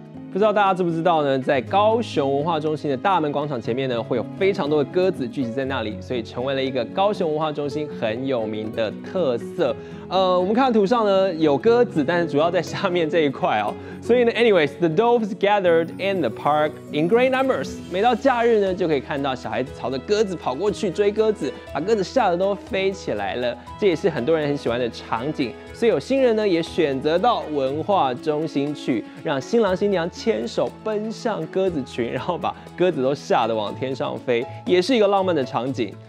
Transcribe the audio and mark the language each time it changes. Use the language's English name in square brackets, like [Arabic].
[Chinese] 不知道大家知不知道呢，在高雄文化中心的大门广场前面呢，会有非常多的鸽子聚集在那里，所以成为了一个高雄文化中心很有名的特色。我们看图上呢有鸽子，但是主要在下面这一块哦。所以呢 [English] anyways, the doves gathered in the park in great numbers. [Chinese] 每到假日呢，就可以看到小孩子朝着鸽子跑过去追鸽子，把鸽子吓得都飞起来了。这也是很多人很喜欢的场景。所以有新人呢也选择到文化中心去，让新郎新娘牵手奔向鸽子群，然后把鸽子都吓得往天上飞，也是一个浪漫的场景。